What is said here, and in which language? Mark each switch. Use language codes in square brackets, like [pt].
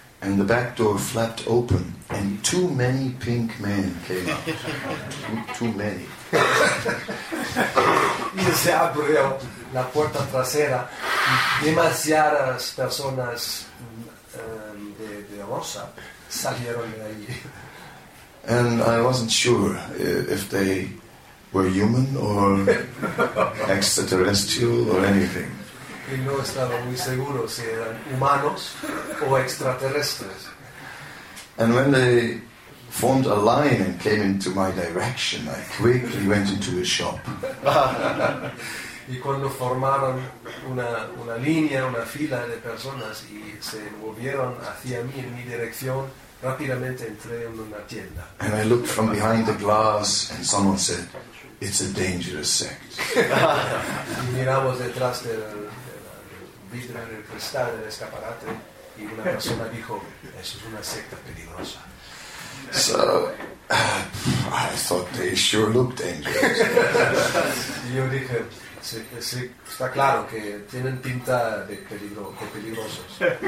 [en] And the back door flapped open, and too many pink men came out. too many. [es] se abre la puerta trasera, demasiadas personas de rosa salieron de allí. [en] And I wasn't sure if they were human or extraterrestrial or anything. [es] Y no estaba muy seguro si eran humanos o extraterrestres. [en] And when they formed a line and came into my direction, I quickly went into a shop. [es] Y cuando formaron una línea, una fila de personas y se movieron hacia mí en mi dirección, rápidamente entré en una tienda. [en] And I looked from behind the glass and someone said, "It's a dangerous sect." [es] Y miramos detrás del vidrio del cristal del escaparate y una persona dijo, "Eso es una secta peligrosa." [en] So I thought they sure look dangerous. [es] Yo dije, sí, está claro que tienen pinta de peligrosos.